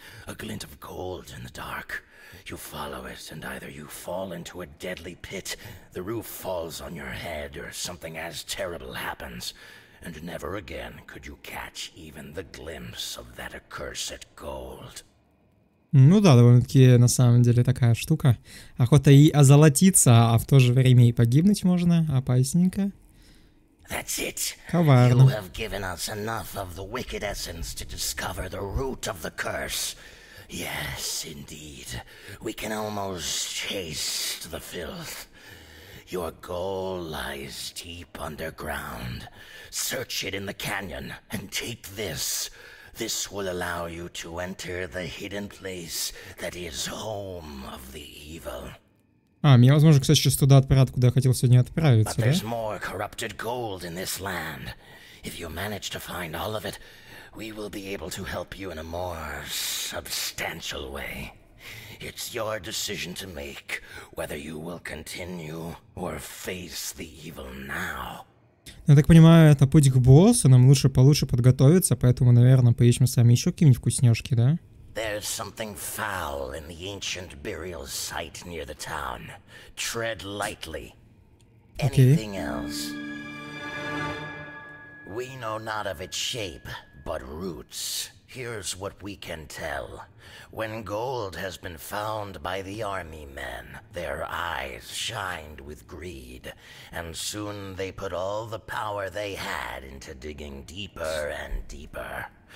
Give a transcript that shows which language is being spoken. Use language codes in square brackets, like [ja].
[en] A glint of gold in the dark. You follow it, and either you fall into a deadly pit, the roof falls on your head, or something as terrible happens. And never again could you catch even the glimpse of that accursed gold. [ru] Ну да, довольно-таки на самом деле такая штука. Охота и озолотиться, а в то же время и погибнуть можно. Опасненько. [en] That's it. [ru] Коварно. [en] You have given us enough of the wicked essence to discover the root of the curse. Yes, indeed. We can almost taste the filth. Your goal lies deep underground. Search it in the canyon and take this. This will allow you to enter the hidden place that is home of the evil. [ru] А, меня, возможно, кстати, сейчас туда отправят, куда я хотел сегодня отправиться, [en] да? But there's more corrupted gold in this land. If you manage to find all of it, we will be able to help you in a more substantial way. It's your decision to make, whether you will continue or face the evil now. [ru] Я так понимаю, это путь к боссу, нам лучше получше подготовиться, поэтому, наверное, поищем с вами еще какие-нибудь вкусняшки, да? [en] There's something foul in the ancient burial site near the town. Tread lightly. Anything else? We know not of its shape, but roots. Here's what we can tell. When gold has been found by the army men, their eyes shined with greed, and soon they put all the power they had into digging deeper and deeper.